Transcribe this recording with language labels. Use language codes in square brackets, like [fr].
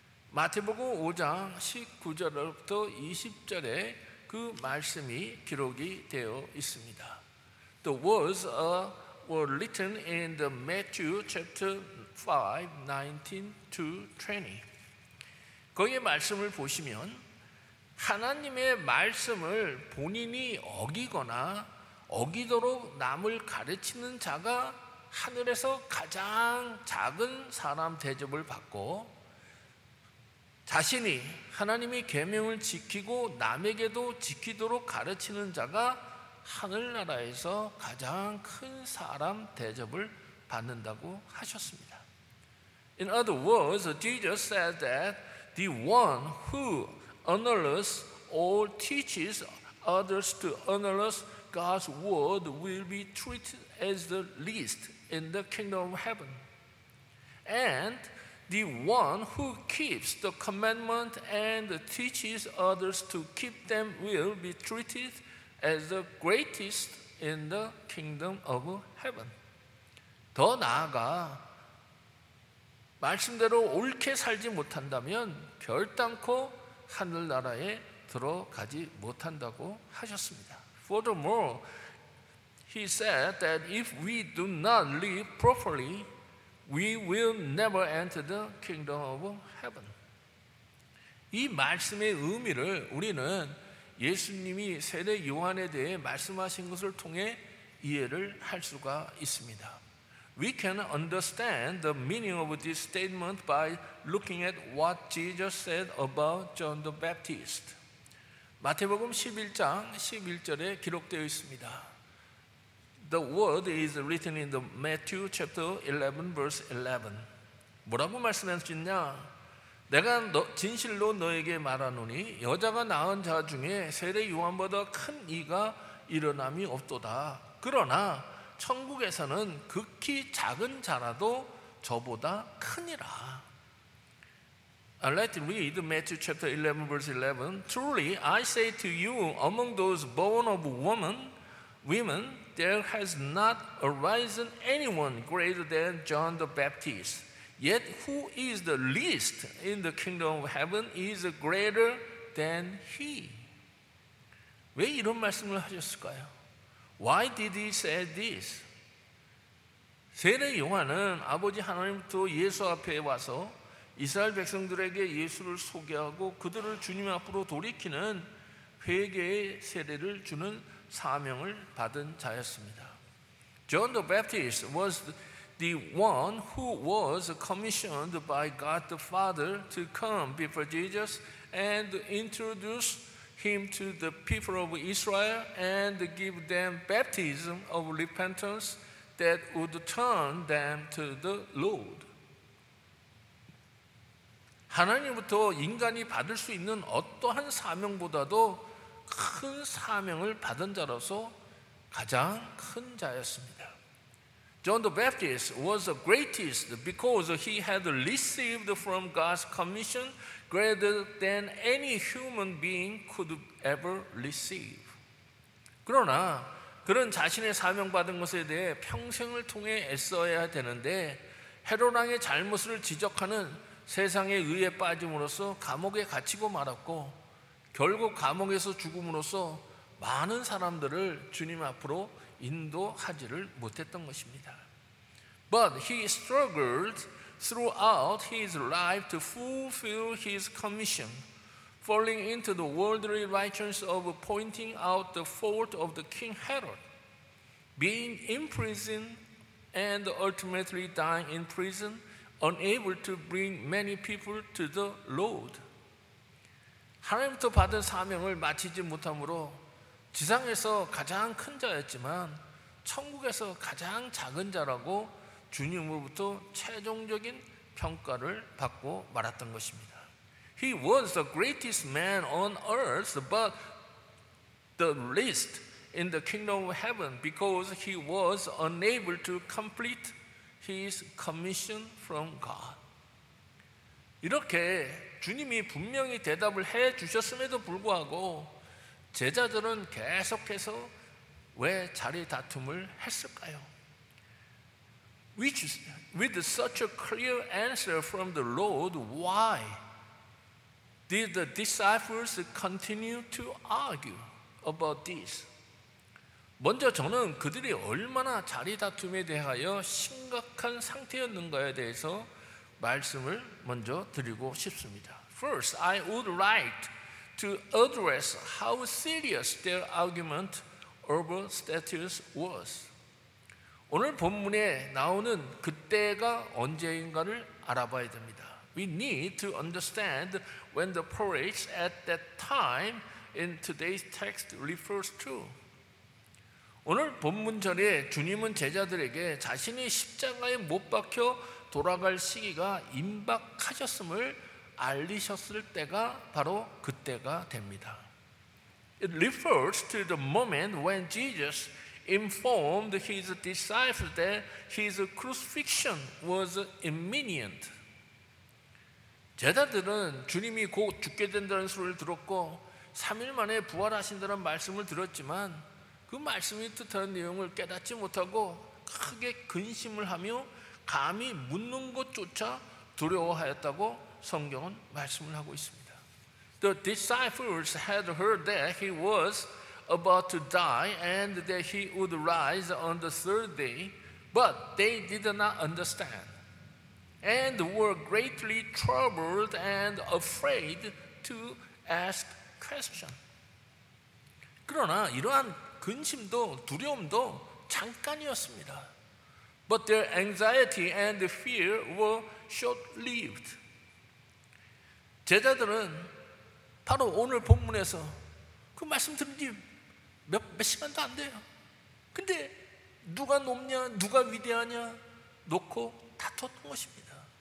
[ko] 마태복음 5장 19절부터 20절에 그 말씀이 기록이 되어 있습니다. [en] The words were written in the Matthew chapter 5, 19 to 20. [ko] 거기에 말씀을 보시면 하나님의 말씀을 본인이 어기거나 어기도록 남을 가르치는 자가 하늘에서 가장 작은 사람 대접을 받고 자신이 하나님의 계명을 지키고 남에게도 지키도록 가르치는 자가 하늘나라에서 가장 큰 사람 대접을 받는다고 하셨습니다. [en] In other words, Jesus said that the one who honors or teaches others to honor God's word will be treated as the least in the kingdom of heaven. And the one who keeps the commandment and teaches others to keep them will be treated as the greatest in the kingdom of heaven. [ko] 더 나아가 말씀대로 옳게 살지 못한다면 결단코 하늘나라에 들어가지 못한다고 하셨습니다. [en] Furthermore, he said that if we do not live properly, we will never enter the kingdom of heaven. [ko] 이 말씀의 의미를 우리는 예수님이 세례 요한에 대해 말씀하신 것을 통해 이해를 할 수가 있습니다. [en] We can understand the meaning of this statement by looking at what Jesus said about John the Baptist. [ko] 마태복음 11장 11절에 기록되어 있습니다. [en] The word is written in the Matthew chapter 11 verse 11. [ko] 뭐라고 말씀하셨냐? 내가 진실로 너에게 말하노니 여자가 낳은 자 중에 세례 요한보다 큰 이가 일어남이 없도다. 그러나 천국에서는 극히 작은 자라도 저보다 크니라. [en] Let me read Matthew chapter 11 verse 11. Truly I say to you, among those born of women, there has not arisen anyone greater than John the Baptist. Yet who is the least in the kingdom of heaven is greater than he. [ko] 왜 이런 말씀을 하셨을까요? [en] Why did he say this? [ko] 세례 요한은 아버지 하나님부터 예수 앞에 와서 이스라엘 백성들에게 예수를 소개하고 그들을 주님 앞으로 돌이키는 회개의 세례를 주는 사명을 받은 자였습니다. [en] John the Baptist was the one who was commissioned by God the Father to come before Jesus and introduce him to the people of Israel and give them baptism of repentance that would turn them to the Lord. [ko] 하나님부터 인간이 받을 수 있는 어떠한 사명보다도 큰 사명을 받은 자로서 가장 큰 자였습니다. [en] John the Baptist was the greatest because he had received from God's commission greater than any human being could ever receive. [ko] 그러나 그는 자신의 사명받은 것에 대해 평생을 통해 애써야 되는데 헤로랑의 잘못을 지적하는 세상의 의에 빠짐으로써 감옥에 갇히고 말았고 결국 감옥에서 죽음으로써 많은 사람들을 주님 앞으로 인도하지를 못했던 것입니다. [en] But he struggled throughout his life to fulfill his commission, falling into the worldly righteousness of pointing out the fault of the King Herod. being in prison and ultimately dying in prison, unable to bring many people to the Lord. [ko] 하나님부터 받은 사명을 마치지 못함으로 지상에서 가장 큰 자였지만 천국에서 가장 작은 자라고 주님으로부터 최종적인 평가를 받고 말았던 것입니다. [en] He was the greatest man on earth, but the least in the kingdom of heaven because he was unable to complete his commission from God. [ko] 이렇게 주님이 분명히 대답을 해 주셨음에도 불구하고 제자들은 계속해서 왜 자리 다툼을 했을까요? [en] With such a clear answer from the Lord, why did the disciples continue to argue about this? [ko] 먼저 저는 그들이 얼마나 자리 다툼에 대하여 심각한 상태였는가에 대해서 말씀을 먼저 드리고 싶습니다. [en] First, I would like to address how serious their argument over status was. [ko] 오늘 본문에 나오는 그때가 언제인가를 알아봐야 됩니다. [en] We need to understand when the parish at that time in today's text refers to. [ko] 오늘 본문 전에 주님은 제자들에게 자신이 십자가에 못 박혀 돌아갈 시기가 임박하셨음을 알리셨을 때가 바로 그때가 됩니다. [en] It refers to the moment when Jesus informed his disciples that his crucifixion was imminent. [ko] 제자들은 주님이 곧 죽게 된다는 소리를 들었고 3일 만에 부활하신다는 말씀을 들었지만 그 말씀이 뜻하는 내용을 깨닫지 못하고 크게 근심을 하며 감히 묻는 것조차 두려워하였다고 성경은 말씀을 하고 있습니다. [en] The disciples had heard that he was about to die and that he would rise on the third day, but they did not understand and were greatly troubled and afraid to ask questions. [ko] 그러나 이러한 근심도 두려움도 잠깐이었습니다. [en] But their anxiety and fear were short-lived. [ko] 제자들은 바로 오늘 본문에서 그 말씀 들은 지 몇 시간도 안 돼요. 근데 누가 높냐, 누가 위대하냐 놓고 다퉜던 것입니다.